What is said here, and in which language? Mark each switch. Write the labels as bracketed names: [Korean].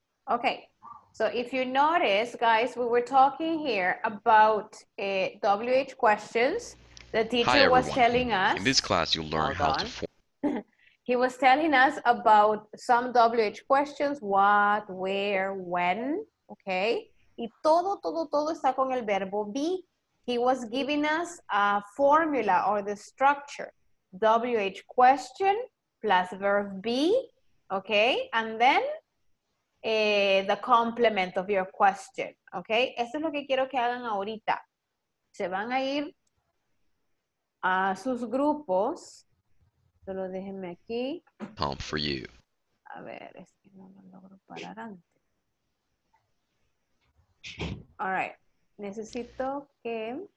[English] Okay, so if you notice, guys, we were talking here about WH questions. The teacher was telling us. In this class, you'll learn how to form. He was telling us about some WH questions, what, where, when, okay? [Spanish] Y todo, todo, todo está con el verbo be. [English] He was giving us a formula or the structure. WH question plus verb be, okay? And then the complement of your question, okay? [Spanish] Eso es lo que quiero que hagan ahorita. Se van a ir a sus grupos. Solo déjenme aquí. Pump for you. A ver, es que no lo logro parar antes. [English] All right, [Spanish] necesito que...